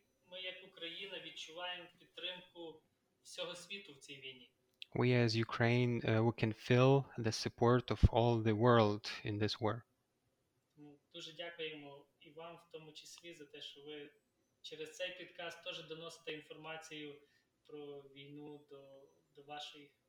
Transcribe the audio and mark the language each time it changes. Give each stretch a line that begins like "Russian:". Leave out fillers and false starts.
Ukrainian: Ми як Україна відчуваємо підтримку всього світу в цій війні.
English: We as Ukraine, we can feel the support of all the world in this war.
Ukrainian: Дуже дякуємо і вам в тому числі за те, що ви через цей підкаст теж доносите інформацію про війну до ваших